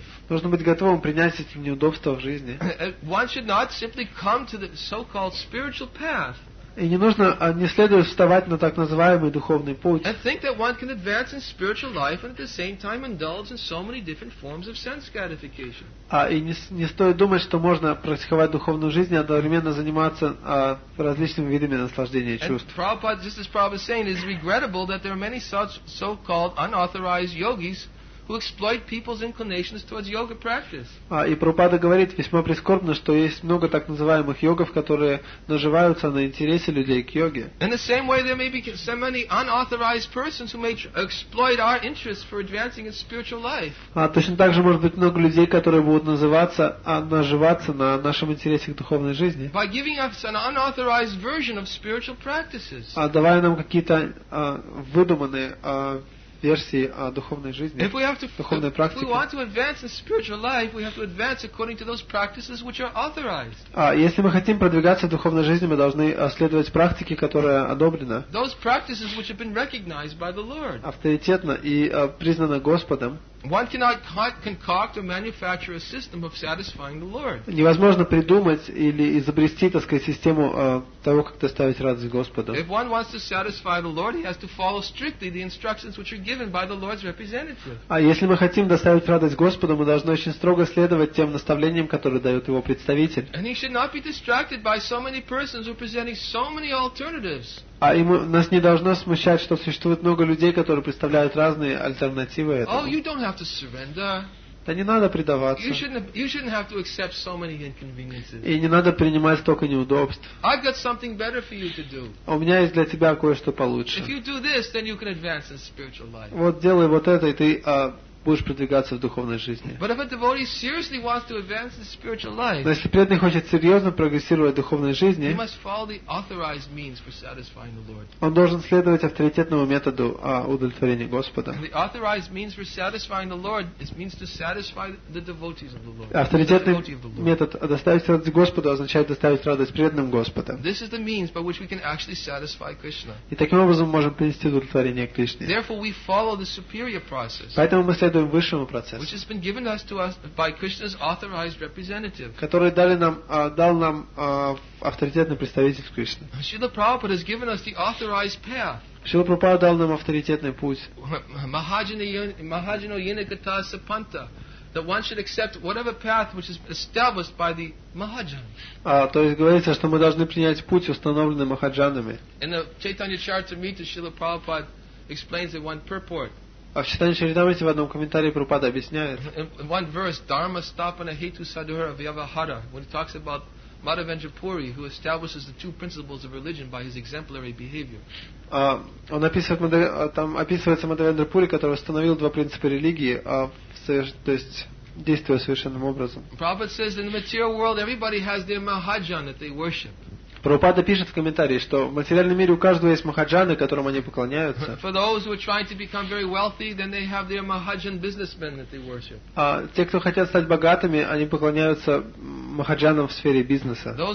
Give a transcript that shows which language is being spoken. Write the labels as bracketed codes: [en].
[ru] Нужно быть готовым принять эти неудобства в жизни. [en] One should not simply come to the so-called spiritual path. [ru] И не нужно, не следует вставать на так называемый духовный путь. [en] And think that one can advance in spiritual life and at the same time indulge in so many different forms of sense gratification. [ru] И не стоит думать, что можно практиковать духовную жизнь и одновременно заниматься различными видами наслаждения чувств. [en] And Prabhupada, just as Prabhupada is saying, it is regrettable that there are many such so-called unauthorized yogis who exploit people's inclinations towards yoga practice. [ru] И Прабхупада говорит, весьма прискорбно, что есть много так называемых йогов, которые наживаются на интересе людей к йоге. [en] In the same way, there may be so many unauthorized persons who may exploit our interests for advancing in spiritual life. [ru] Точно так же может быть много людей, которые будут называться, наживаться на нашем интересе к духовной жизни. [en] By giving us an unauthorized version of spiritual practices. [ru] Давая нам какие-то выдуманные версии духовной жизни, духовной практики. [en] If we want to advance in spiritual life, we have to advance according to those practices which are authorized. [ru] Если мы хотим продвигаться в духовной жизни, мы должны следовать практике, которая одобрена. [en] Those practices which have been recognized by the Lord. [ru] Авторитетно и признана Господом. [en] One cannot concoct or manufacture a system of satisfying the Lord. [ru] Невозможно придумать или изобрести, так сказать, систему того, как доставить радость Господу. [en] If one wants to satisfy the Lord, he has to follow strictly the instructions which are given by the Lord's representative. [ru] А если мы хотим доставить радость Господу, мы должны очень строго следовать тем наставлениям, которые дает его представитель. [en] And he should not be distracted by so many persons who are presenting so many alternatives. [ru] А ему, нас не должно смущать, что существует много людей, которые представляют разные альтернативы этому. [en] Oh, you don't have to surrender. [ru] Да не надо предаваться. [en] You shouldn't have to accept so many inconveniences. [ru] И не надо принимать столько неудобств. [en] I've got something better for you to do. [ru] А у меня есть для тебя кое-что получше. [en] If you do this, then you can advance in spiritual life. [ru] Вот делай вот это, и ты будешь продвигаться в духовной жизни. [en] But if a devotee seriously wants to advance in spiritual life, [ru] но если преданный хочет серьезно прогрессировать в духовной жизни, [en] he must follow the authorized means for satisfying the Lord. [ru] Он должен следовать авторитетному методу удовлетворения Господа. [en] And the authorized means for satisfying the Lord is means to satisfy the devotees of the Lord. [ru] Авторитетный метод доставить радость Господу означает доставить радость преданным Господа. [en] This is the means by which we can actually satisfy Krishna. [ru] И таким образом мы можем принести удовлетворение Кришне. [en] Therefore, we follow the superior process. [ru] Поэтому мы [en] which has been given us to us by Krishna's authorized representative. [ru] Который дали нам, дал нам авторитетный представитель Кришны. [en] Srila Prabhupada has given us the authorized path. [ru] Srila Prabhupada дал нам авторитетный путь. [sa] Mahajana Yinakata Sapanta. [en] That one should accept whatever path which is established by the Mahajan. [ru] То есть говорится, что мы должны принять путь, установленный Махаджанами. [en] In the Chaitanya Charitamrita, Srila Prabhupada explains in one purport. [ru] А в Читании Чаритамрите в одном комментарии Прабхупада объясняет. [en] In one verse, Dharma Stapana Hetu Sadhura Vyavahara, when he talks about Madhavendrapuri, who establishes the two principles of religion by his exemplary behavior. [ru] Он описывает, там описывается Мадхавендрапури, который установил два принципа религии, то есть действуя совершенным образом. [en] Prabhupada says in the material world everybody has their Mahajan that they worship. [ru] Прабхупада пишет в комментарии, что в материальном мире у каждого есть махаджаны, которым они поклоняются. Те, кто хотят стать богатыми, они поклоняются махаджанам в сфере бизнеса.